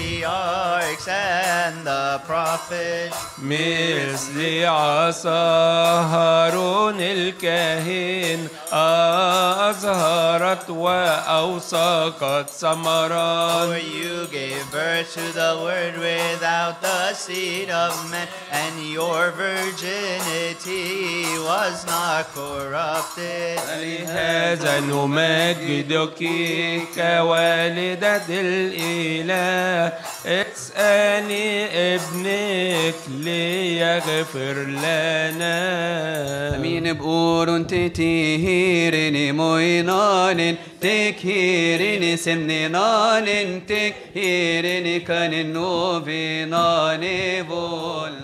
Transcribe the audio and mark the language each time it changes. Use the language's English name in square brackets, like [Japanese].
[English] of the patriarchs and the prophets. [Arabic] مثل عصا هارون الكاهن أزهرت وأوسقت ثمران. [English] For you gave birth to the word without the seed of man, and your virginity was not corrupted. [Arabic] لهذا نمجدك كوالدة الإله اسألي ابنك لي يغفر لنا. أمين بقولون تتهيريني مينالين تكهيريني سمنينالين تكهيريني كننو فيناني بول